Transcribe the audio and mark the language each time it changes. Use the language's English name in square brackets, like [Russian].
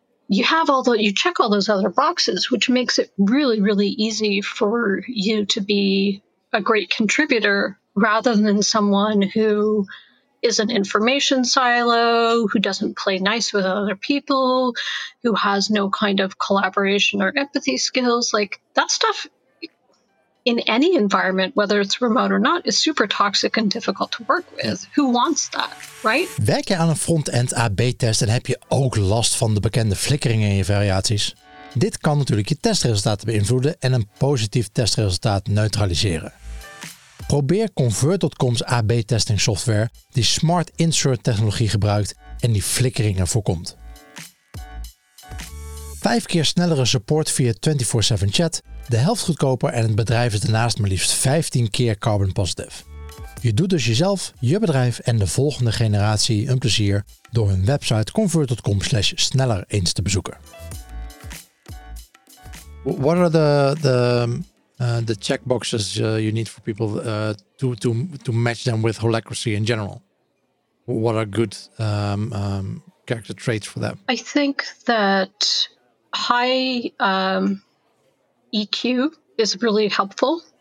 [English] you have you check all those other boxes, which makes it really, really easy for you to be a great contributor rather than someone who is an information silo, who doesn't play nice with other people, who has no kind of collaboration or empathy skills. Like, that stuff in any environment, whether it's remote or not, is super toxic and difficult to work with. Who wants that, right? [Dutch] Werk je aan een front-end AB-test en heb je ook last van de bekende flikkeringen in je variaties? Dit kan natuurlijk je testresultaten beïnvloeden en een positief testresultaat neutraliseren. Probeer Convert.com's AB-testing software die smart insert technologie gebruikt en die flikkeringen voorkomt. 5 keer snellere support via 24/7 chat, de helft goedkoper en het bedrijf is daarnaast maar liefst 15 keer carbon positive. Je doet dus jezelf, je bedrijf en de volgende generatie een plezier door hun website convert.com/sneller eens te bezoeken. [English] What are the checkboxes you need for people to match them with Holacracy in general? what are good character traits for them? I think that high EQ is really helpful.